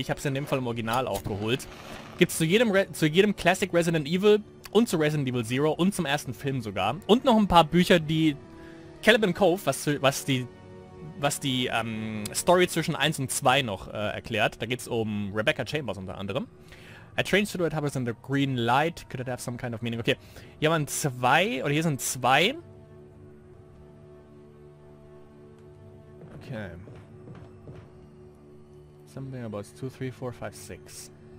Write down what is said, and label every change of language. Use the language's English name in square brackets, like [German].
[German] Ich habe sie in dem Fall im Original auch geholt. Gibt es zu jedem Classic Resident Evil und zu Resident Evil Zero und zum ersten Film sogar. Und noch ein paar Bücher, die Caleb and Cove, was die Story zwischen 1 und 2 noch erklärt. Da geht es um Rebecca Chambers unter anderem. [English] A train to the red hovers in the green light. Could it have some kind of meaning? [German] Okay, hier waren zwei, oder hier sind zwei. Okay. [English] Something about 2, 3, 4, 5, 6.